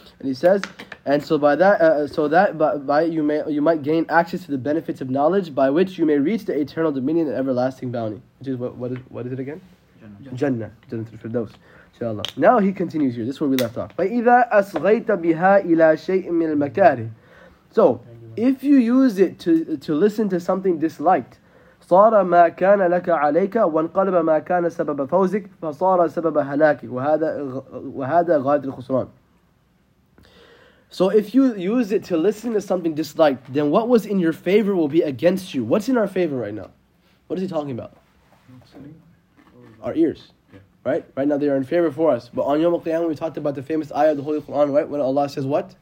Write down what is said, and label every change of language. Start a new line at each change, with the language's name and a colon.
English: And he says, and so by that, you might gain access to the benefits of knowledge by which you may reach the eternal dominion and everlasting bounty. Which is what is it again? Jannah. Jannah al Firdaus. Inshallah. Now he continues here. This is where we left off.
Arabic: فَإِذَا أَصْغَيْتَ بِهَا إِلَى شَيْءٍ مِنَ الْمَكَارِهِ.
English: So, if you use it to listen to something disliked.
Arabic: صار ما كان لك عليك وانقلب ما كان سبب فوزك فصار سبب هلاكك وهذا غاية الخسران.
English: So if you use it to listen to something disliked, then what was in your favor will be against you. What's in our favor right now? What is he talking about? Our ears. Yeah. Right? Right now they are in favor for us. But on Yawm al-Qiyamah, we talked about the famous ayah of the Holy Quran, right? When Allah says what?